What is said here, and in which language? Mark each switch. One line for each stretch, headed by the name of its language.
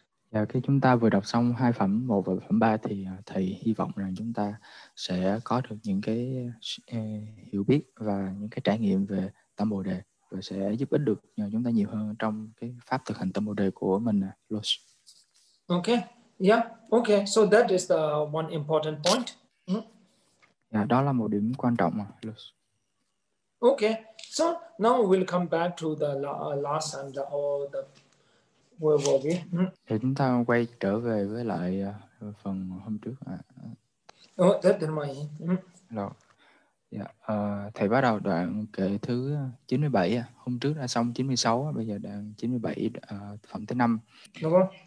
Vietnamese: Yeah, khi chúng ta vừa đọc xong hai phẩm 1 và phẩm 3 thì thầy hy vọng rằng chúng ta sẽ có được những cái hiểu biết và những cái trải nghiệm về tâm bồ đề và sẽ giúp ích được cho chúng ta nhiều hơn trong cái pháp thực hành tâm bồ đề của mình. Lose.
English: Okay. Yeah. Okay. So that is the one important point.
Vietnamese: Yeah, đó là một điểm quan trọng. Lose.
English: Okay. So now we'll come back to the last and where were we?
Vietnamese: Thì chúng ta quay trở về với lại phần hôm trước.
English: Oh, that's in my. Hello.
Vietnamese: Thầy bắt đầu đoạn kệ thứ 97, hôm trước đã xong 96, bây giờ đoạn 97, phẩm thứ 5. Đúng không?